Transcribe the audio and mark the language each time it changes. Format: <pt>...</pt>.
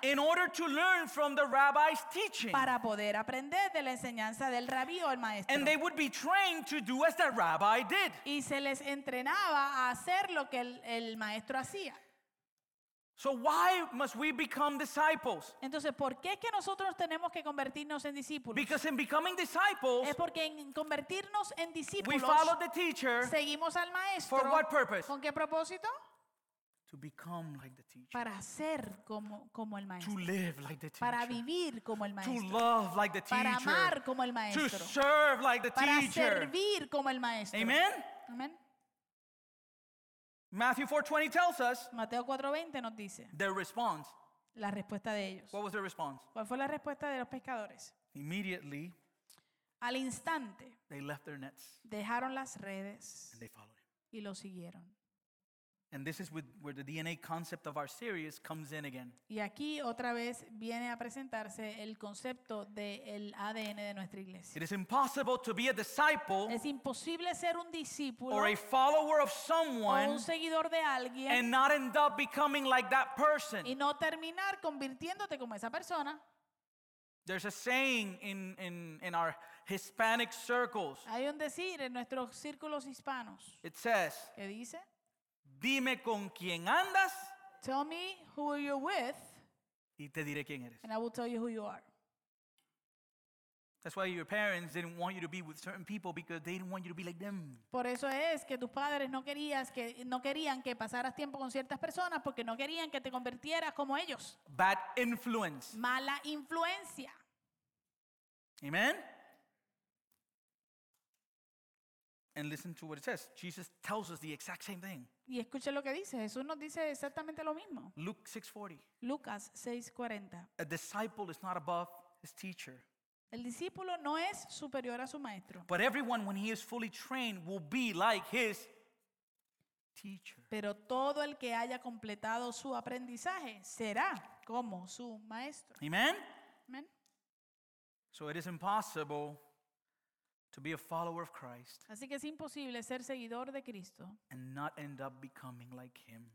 <en>in order to learn from the rabbi's teaching,</en> <es>para poder aprender de la enseñanza del rabí o el maestro,</es> <en>and they would be trained to do as the rabbi did,</en> <es>y se les entrenaba a hacer lo que el maestro hacía.</es> <en>So why must we become disciples?</en> <es>Entonces, ¿por qué es que nosotros tenemos que convertirnos en discípulos?</es> <en>Because in becoming disciples,</en> <es>es porque en convertirnos en discípulos,</es> <en>we follow the teacher.</en> <es>Seguimos al maestro.</es> <en>For what purpose?</en> <es>¿Con qué propósito?</es> <en>To become like the teacher.</en> <es>Para ser como el maestro.</es> <en>To live like the teacher.</en> <es>Para vivir como el maestro.</es> <en>To love like the teacher.</en> <es>Para amar como el maestro.</es> <en>To serve like the teacher.</en> <es>Para servir como el maestro.</es> <en>Amen.</en> <es>Amen.</es> <en>Matthew 4:20 tells us.</en> <es>Mateo 4:20 nos dice.</es> <en>Their response.</en> <es>La respuesta de ellos.</es> <en>What was their response?</en> <es>¿Cuál fue la respuesta de los pescadores?</es> <en>Immediately.</en> <es>Al instante.</es> <en>They left their nets.</en> <es>Dejaron las redes.</es> <en>And they followed him.</en> <es>Y lo siguieron.</es> <en>And this is where the DNA concept of our series comes in again.</en> <es>Y aquí otra vez viene a presentarse el concepto del ADN de nuestra iglesia.</es> <en>It is impossible to be a disciple.</en> <es>Es imposible ser un discípulo.</es> <en>Or a follower of someone.</en> <es>O un seguidor de alguien.</es> <en>And not end up becoming like that person.</en> <es>Y no terminar convirtiéndote como esa persona.</es> <en>There's a saying in our Hispanic circles.</en> <es>Hay un decir en nuestros círculos hispanos.</es> <en>It says.</en> <es>¿Qué dice? Dime con quién andas.</es> <en>Tell me who you're with.</en> <es>Y te diré quién eres.</es> <en>And I will tell you who you are. That's why your parents didn't want you to be with certain people because they didn't want you to be like them.</en> <es>Por eso es que tus padres no querían que pasaras tiempo con ciertas personas porque no querían que te convirtieras como ellos.</es> <en>Bad influence.</en> <es>Mala influencia.</es> <en>Amen. And listen to what it says. Jesus tells us the exact same thing.</en> <es>Y escuche lo que dice. Jesús nos dice exactamente lo mismo.</es> <en>Lucas 6:40. A disciple is not above his teacher.</en> <es>El discípulo no es superior a su maestro.</es> <en>But everyone, when he is fully trained, will be like his teacher.</en> <es>Pero todo el que haya completado su aprendizaje será como su maestro.</es> <en>Amen.</en> <es>Amen.</es> <en>So it is impossible to be a follower of Christ.</en> <es>Así que es imposible ser seguidor de Cristo.</es> <en>And not end up becoming like him.</en>